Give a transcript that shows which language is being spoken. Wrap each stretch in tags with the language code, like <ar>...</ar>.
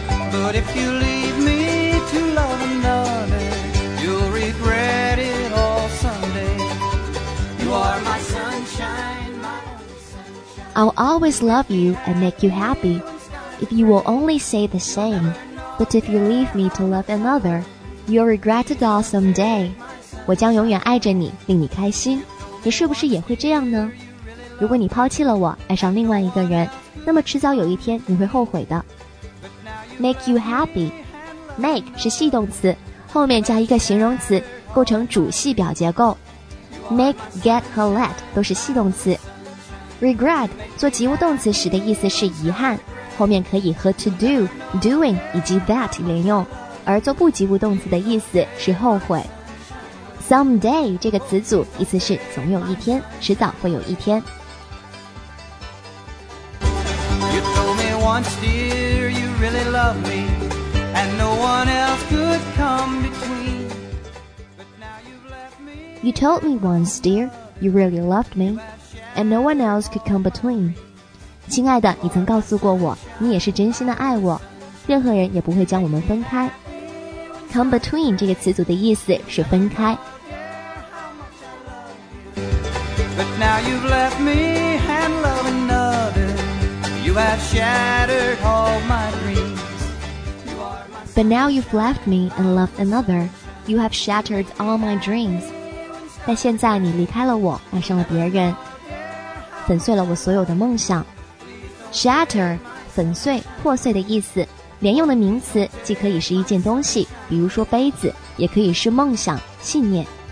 <en>But if you leave me to love another, you'll regret it all someday. You are my sunshine, my only sunshine. I'll always love you and make you happy if you will only say the same. But if you leave me to love another, you'll regret it all someday.</en> <zh>我将永远爱着你，令你开心。你是不是也会这样呢？如果你抛弃了我，爱上另外一个人，那么迟早有一天你会后悔的。</zh> <en>Make you happy.</en> <zh>Make 是系动词，后面加一个形容词，构成主系表结构。 Make, get 和 let 都是系动词。 Regret 做及物动词时的意思是遗憾，后面可以和 to do, doing 以及 that 连用，而做不及物动词的意思是后悔。 Someday 这个词组意思是总有一天，迟早会有一天。</zh> <en>You told me once, dear, you really love me, and no one else could come between. But now you've left me. You told me once, dear, you really loved me, and no one else could come between.</en> <zh>亲爱的，你曾告诉过我，你也是真心的爱我，任何人也不会将我们分开。 Come between 这个词组的意思是分开。</zh> <en>But now you've left me and love another. You have shattered all my dreams. But now you've left me and love another. You have shattered all my dreams.</en> <zh>但现在你离开了我，爱上了别人，粉碎了我所有的梦想。 Shatter 粉碎、破碎的意思。连用的名词既可以是一件东西，比如说杯子，也可以是梦想、信念。</zh>